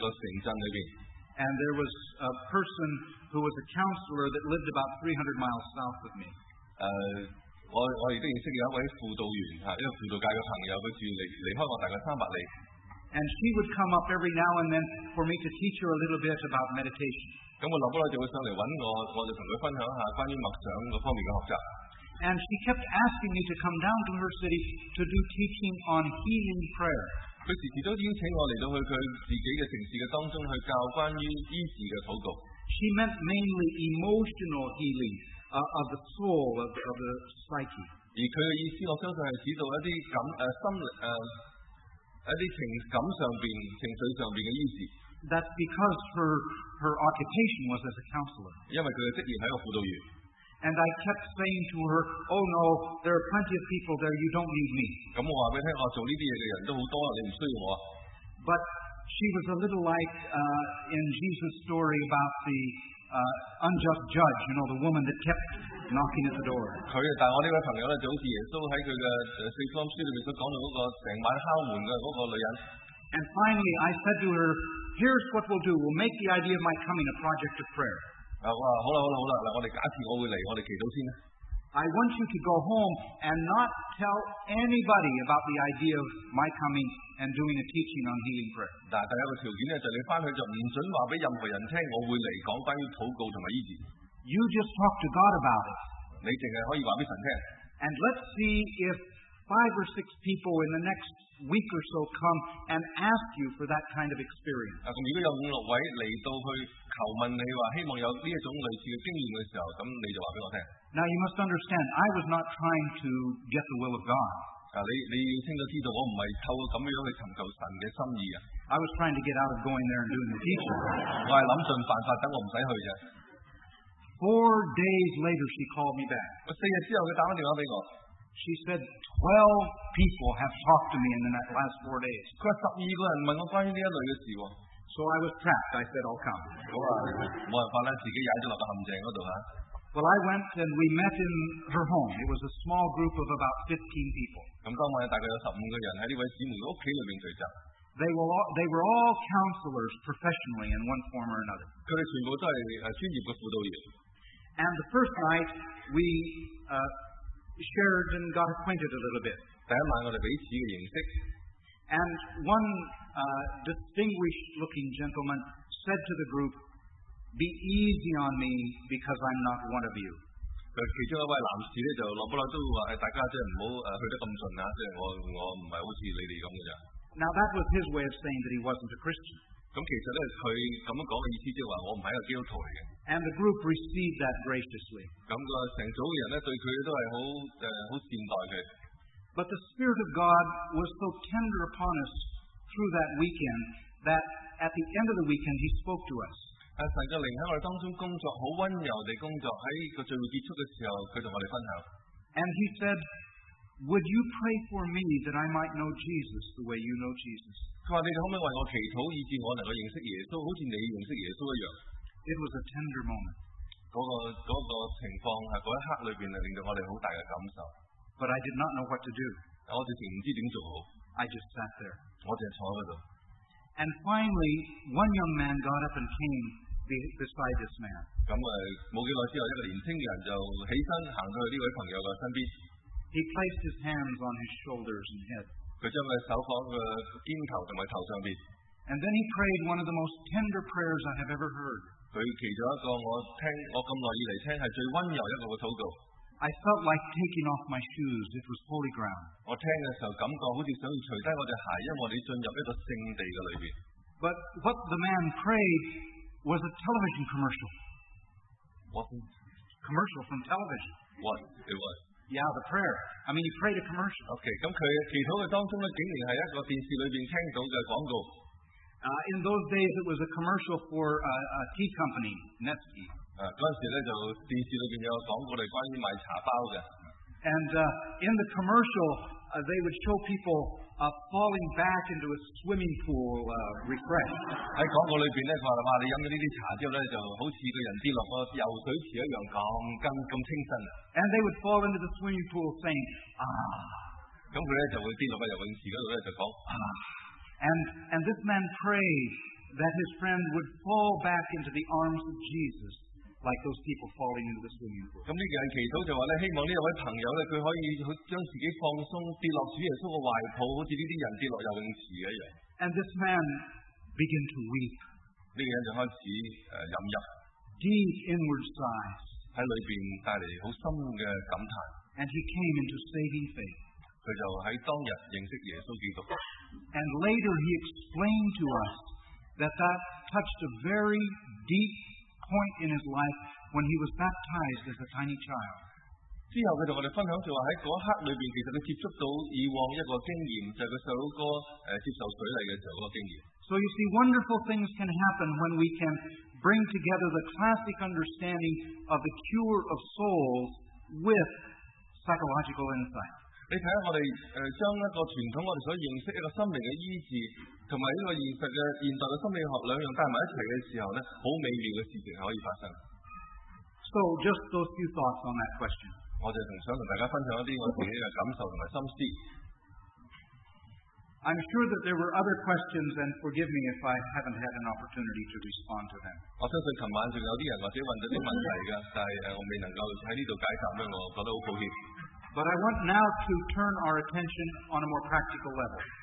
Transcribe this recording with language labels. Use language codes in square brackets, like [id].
[en] And there was a person who was a counselor that lived about 300 miles south of me. [yue] 我亦都認識有一位輔導員，一個輔導界嘅朋友，佢住離開我大概300里。 [en] And she would come up every now and then for me to teach her a little bit about meditation. [yue] 咁我落班就會上嚟揾我，我就同佢分享下關於默想嗰方面嘅學習。 [en] And she kept asking me to come down to her city to do teaching on healing prayer. [yue] 佢時時都邀請我嚟到去佢自己嘅城市嘅當中去教關於醫治嘅禱告。 [en] She meant mainly emotional healing of the soul of the psyche. [yue] 而佢嘅意思，我相信係指到一啲感心一啲情感上邊、情緒上邊嘅醫治。 [en] That's because her occupation was as a counselor. [yue] 因為佢嘅職業係一個輔導員。 [en] And I kept saying to her, "Oh no, there are plenty of people there. You don't need me." [yue] 咁我話俾你聽，我做呢啲嘢嘅人都好多，你唔需要我。 [en] But she was a little like in Jesus' story about the unjust judge. You know, the woman that kept knocking at the door. [yue] 佢啊，但係我呢位朋友咧，就好似耶穌喺佢嘅四福音書裏面所講到嗰個成晚敲門嘅嗰個女人。 [en] And finally, I said to her, "Here's what we'll do. We'll make the idea of my coming a project of prayer." [yue] 好了，我哋假設我會嚟，我哋祈禱先啦。 [en] I want you to go home and not tell anybody about the idea of my coming and doing a teaching on healing prayer. [yue] 但第一個條件咧，就你翻去就唔準話俾任何人聽，我會嚟講關於禱告同埋醫治。 [en] You just talk to God about it. [yue] 你淨係可以話俾神聽。 [en] And let's see if 5 or 6 people in the next week or so come and ask you for that kind of experience. [yue] 咁如果有5、6位嚟到去求問你話，希望有呢一種類似嘅經驗嘅時候，咁你就話俾我聽。 [en] Now you must understand, I was not trying to get the will of God. [yue] 你要清楚知道，我唔係透過咁樣去尋求神嘅心意啊。 [en] I was trying to get out of going there and doing the teaching. [yue] 我係諗盡辦法等我唔使去啫。 [en] 4 days later, she called me back. [yue] 4日之後，佢打翻電話俾我。 [en] She said 12 people have talked to me in the last 4 days. [yue] 佢話12個人問我關於呢一類嘅事喎。 [en] So I was trapped. I said I'll come. [yue] 好啊，冇辦法啦，自己踩咗落個陷阱嗰度嚇。 [en] Well, I went and we met in her home. It was a small group of about 15 people. [yue] 咁當晚大概有15個人喺呢位姊妹屋企裏面聚集。 [en] They were all counselors professionally in one form or another. [yue] 佢哋全部都係專業嘅輔導員。 [en] And the first night we shared and got acquainted a little bit. [yue] 第一晚我哋彼此嘅認識。 [en] And one distinguished-looking gentleman said to the group, "Be easy on me because I'm not one of you." [yue] 其中一位男士咧就落不落都話：，大家即係唔好去得咁盡啊！即係我唔係好似你哋咁嘅啫。 [en] Now that was his way of saying that he wasn't a Christian. [yue] 咁其實咧，佢咁樣講嘅意思即係話我唔係一個基督徒嚟嘅。 [en] And the group received that graciously. [yue] 咁個成組人咧對佢都係好好善待佢。 [en] But the Spirit of God was so tender upon us through that weekend that at the end of the weekend He spoke to us. [yue] 神嘅靈喺我哋當中工作，好温柔地工作。喺個聚會結束嘅時候，佢同我哋分享。 [en] And He said, "Would you pray for me that I might know Jesus the way you know Jesus?" [yue] 佢話：你哋可唔可以為我祈禱，以致我能夠認識耶穌，好似你認識耶穌一樣 [en] ？It was a tender moment. [yue] 嗰個情況係嗰一刻裏邊，令到我哋好大嘅感受。 [en] But I did not know what to do. [yue] 我直情唔知點做好。 [en] I just sat there. [yue] 我淨係坐喺度。 [en] And finally, one young man got up and came beside this man. [yue] 咁冇幾耐之後，一個年輕人就起身行到去呢位朋友嘅身邊。 [en] He placed his hands on his shoulders and head. [yue] 佢將佢手放喺肩頭同埋頭上邊。 [en] And then he prayed one of the most tender prayers I have ever heard. [yue] 佢祈咗一個我咁耐以嚟聽係最温柔一個嘅禱告。 [en] I felt like taking off my shoes. It was holy ground. [yue] 我聽嘅時候感覺好似想要除低我隻鞋，因為我哋進入一個聖地嘅裏邊。 [en] But what the man prayed was a television commercial. Wasn't commercial from television. What it was? Yeah, the prayer. I mean, he prayed a commercial. [yue] Okay, 咁佢祈禱嘅當中咧，竟然係一個電視裏邊聽到嘅廣告。 [en] In those days, it was a commercial for a tea company, Nestle. [yue] 嗰陣時咧，就電視裏邊有廣告嚟關於賣茶包嘅。 [en] And in the commercial, they would show people falling back into a swimming pool refreshed. [yue] 喺廣告裏邊咧，佢話：哇，你飲咗呢啲茶之後咧，就好似個人跌落個游水池一樣，咁清新。 [en] And they would fall into the swimming pool saying, "Ah." [yue] 咁佢咧就會跌落個游泳池嗰度咧，就講啊。 [en] And this man prayed that his friend would fall back into the arms of Jesus. like those people falling into the swimming pool. [yue] 咁呢个人祈祷就话咧，希望呢位朋友咧，佢可以将自己放松，跌落主耶稣嘅怀抱，好似呢啲人跌落游泳池一样。 [en] And this man began to weep. [yue] 呢个人就开始饮泣。 [en] Deep inward sighs. [yue] 喺里边带嚟好深嘅感叹。 [en] And he came into saving faith. [yue] 佢就喺当日认识耶稣基督。 [en] And later he explained to us that that touched a very deep point in his life when he was baptized as a tiny child. [yue] 之后佢同我哋分享就话喺嗰刻里边，其实佢接触到以往一个经验，就系佢细佬哥接受洗礼嘅时候嗰个经验。 [en] So you see, wonderful things can happen when we can bring together the classic understanding of the cure of souls with psychological insight. [yue] 你睇下我哋将一个传统我哋所认识一个心灵嘅医治，同埋呢个现实嘅现代嘅心理学两样带埋一齐嘅时候咧，好美妙嘅事情可以发生。 [en] So just those few thoughts on that question。 [yue] 我就仲想同大家分享一啲我自己嘅感受同埋心思。 [en] I'm sure that there were other questions, and forgive me if I haven't had an opportunity to respond to them。 [yue] 我相信琴晚仲有啲人或者问咗啲问题噶，但系我未能够喺呢度解答咧，我觉得好抱歉。 [en] But I want now to turn our attention on a more practical level.